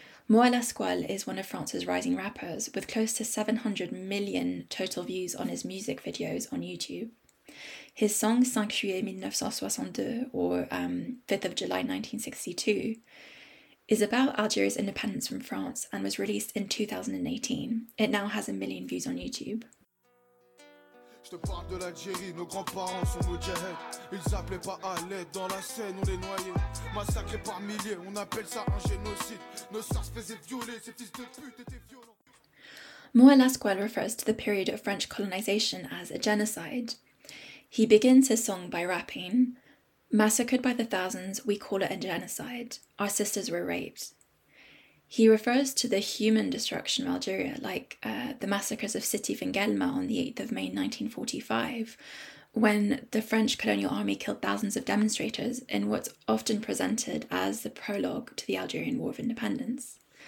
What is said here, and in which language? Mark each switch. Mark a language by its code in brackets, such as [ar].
[en] Moël Asqual is one of France's rising rappers, with close to 700 million total views on his music videos on YouTube. His song 5 juillet 1962, or 5th of July 1962, is about Algeria's independence from France and was released in 2018. It now has 1 million views on YouTube. [fr] Je te parle de l'Algérie, nos grands-parents sont mujahed. Ils appelaient pas à l'aide, dans la Seine on les noyait. Massacrés par milliers, on appelle ça un génocide. Nos sœurs se faisaient violer, ces fils de pute étaient violents. [en] Moël Asqual refers to the period of French colonization as a genocide. He begins his song by rapping, "Massacred by the thousands, we call it a genocide. Our sisters were raped." He refers to the human destruction of Algeria, like the massacres of Sidi Fingelma on the 8th of May 1945, when the French colonial army killed thousands of demonstrators in what's often presented as the prologue to the Algerian War of Independence.